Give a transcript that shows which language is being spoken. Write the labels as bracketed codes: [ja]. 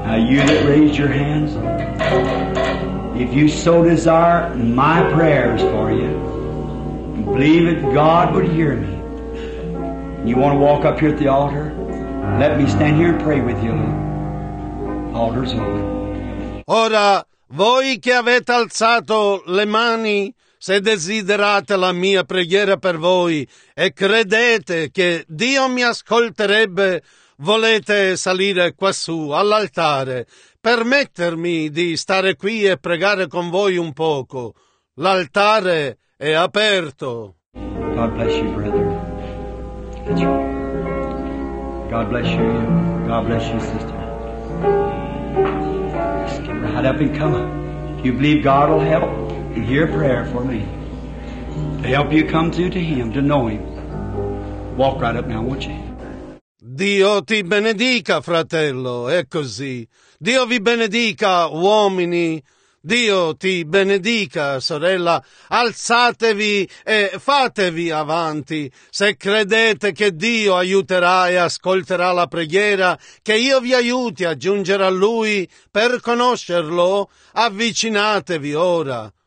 [en] you that raised your hands, if you so desire my prayers for you, and believe that God would hear me, and you want to walk up here at the altar, let me stand here and pray with you. Altar's open. [it] Ora, voi che avete alzato le mani, se desiderate la mia preghiera per voi e credete che Dio mi ascolterebbe, volete salire quassù all'altare, permettermi di stare qui e pregare con voi un poco. L'altare è aperto. [en] God bless you, brother. God bless you. God bless you, sister. Just get right up and come. If you believe God will help and hear prayer for me, to help you come to Him, to know Him, walk right up now, won't you? [it] Dio ti benedica, fratello, è così. Dio vi benedica, uomini. Dio ti benedica, sorella. Alzatevi e fatevi avanti. Se credete che Dio aiuterà e ascolterà la preghiera, che io vi aiuti a giungere a Lui per conoscerlo, avvicinatevi ora.